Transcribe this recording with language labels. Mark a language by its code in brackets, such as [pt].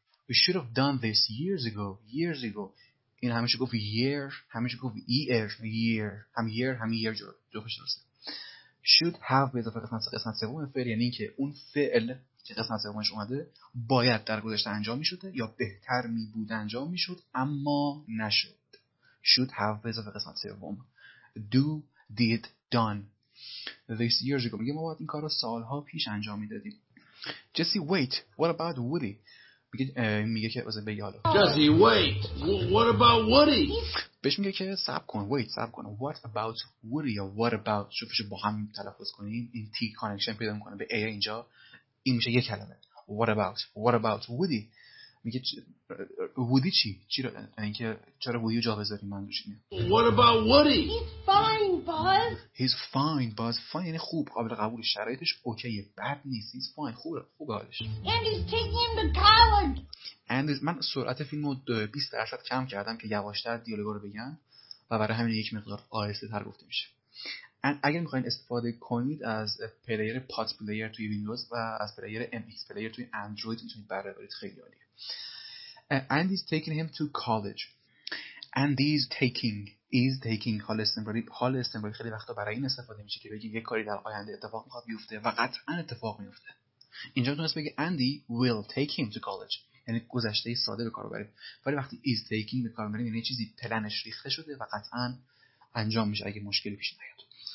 [en] We should have done this years ago. [fa] این همیشه گفت year، همیشه گفت year، year، هم year، هم year جور دو خوش درسته. Should have به اضافه قسمت سوم فعل، یعنی که اون فعل که قسمت سومش اومده باید در گذشته انجام میشده یا بهتر میبود انجام میشد اما نشد. Should have به اضافه قسمت سوم. [en] Do، did، done. This years ago، [fa] میگه ما باید این کار رو سالها پیش انجام میدادیم. [en] Jesse، wait، what about Woody؟ [fa] میگه که واسه بگی حالا. [en] Jesse wait. What about Woody? [fa] بهش میگه که صبر کن. [en] What about Woody? What about؟ [fa] شوفش با هم تلفظ کنین. این T connection پیدا میکنه به A اینجا. این میشه یک کلمه. [en] What about? What about Woody? [fa] میگه Woody چی؟ چرا اینکه چرا Woody رو جا بذاری منظورش اینه. [en] What about Woody? He's fine, Buzz. He's fine, Buzz. [fa] Fine خوب، قابل قبول، شرایطش اوکیه، بد نیست. [en] He's fine، [fa] خوبه، خوبه حالش. [en] And he's taking the college. [fa] And من سرعت فیلم رو 20% کم کردم که یواشتر دیالوگا رو بگم و برای همین یک مقدار آهسته تر گفته میشه. And اگر میخواین استفاده کنید از پلیر پات پلیر توی ویندوز و از پلیر ام ایکس پلیر توی اندروید میتونید بره برید، خیلی عالیه. [en] And he's taking him to college. And he's taking is taking [fa] حال استمراری. حال استمراری خیلی وقتا برای این استفاده میشه که بگیم یک کاری در آینده اتفاق میخواد بیفته و قطعا اتفاق میفته. اینجا میتونست بگه [en] Andy will take him to college، [fa] یعنی گذشته ساده به کار ببرید، ولی وقتی [en] is taking [fa] به کار ببرید یعنی چیزی پلنش ریخته شده و قطعا انجام میشه اگه مشکلی پیش نیاد.